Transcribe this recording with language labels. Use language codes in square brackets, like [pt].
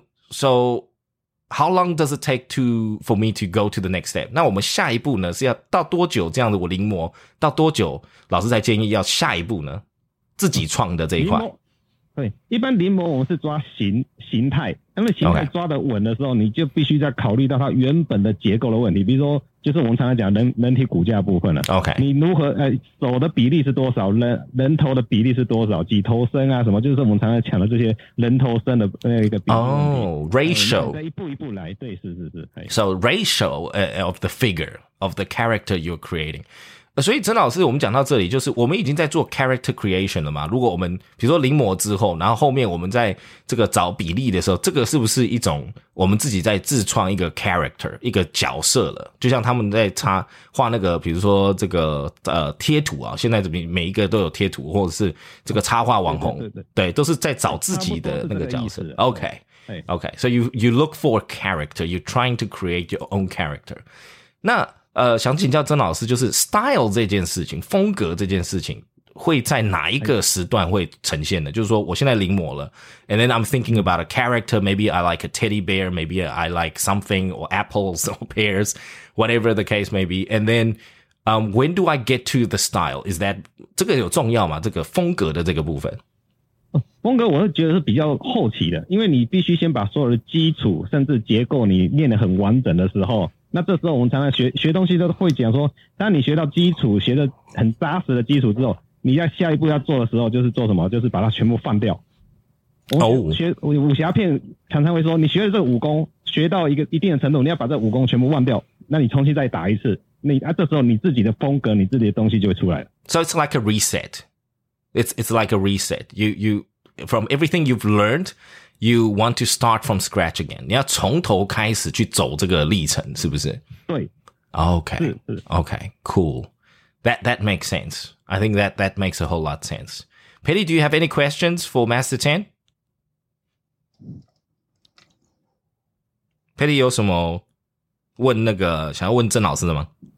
[en] So, how long does it take for me to go to the next step? [zh] 那我们下一步呢，是要到多久这样子，我临摹到多久，老师才建议要下一步呢？自己创的这一块。对，一般临摹我们是抓形态，因为形态抓得稳的时候，okay. 你就必须在考虑到它原本的结构的问题。比如说，就是我们常常讲人体骨架的部分了。 [en] OK， [zh] 你如何手的比例是多少，人头的比例是多少，几头身啊什么，就是我们常常讲的这些人头身的一个比例。 [en] 哦、ratio， [zh] 一步一步来，对，是。 [en] So ratio of the figure of the character you're creating。 [zh] 所以曾老师我们讲到这里就是我们已经在做 character creation 了嘛，如果我们比如说临摹之后，然后后面我们在这个找比例的时候，这个是不是一种我们自己在自创一个 character 一个角色了，就像他们在插画那个比如说这个贴图啊，现在每一个都有贴图或者是这个插画网红，对，都是在找自己的那个角色。 [en] OK so you look for character, you're trying to create your own character。 [zh] 那想请教曾老师，就是 style 这件事情，风格这件事情会在哪一个时段会呈现的？就是说我现在临摹了 [en] and then I'm thinking about a character, maybe I like a teddy bear, maybe I like something or apples or pears, whatever the case may be, and then when do I get to the style? Is that [zh] 这个有重要吗？这个风格的这个部分，风格我是觉得是比较后期的，因为你必须先把所有的基础甚至结构你练得很完整的时候，那这时候我们常常学东西都会讲说，当你学到基础，学的很扎实的基础之后，你在下一步要做的时候就是做什么，就是把它全部放掉。学武侠片常常会说，你学了这个武功学到一定的程度，你要把这武功全部忘掉，那你重新再打一次，这时候你自己的风格你自己的东西就会出来了。 [en] So it's like a reset. It's like a reset. You from everything you've learnedYou want to start from scratch again. [zh] 你要从头开始去走这个历程，是不是？对。 [en] Okay. Okay. Cool. That makes sense. I think that makes a whole lot of sense. Petty, do you have any questions for Master Chen? [zh] Petty 有什么问那个想要问曾老师的吗？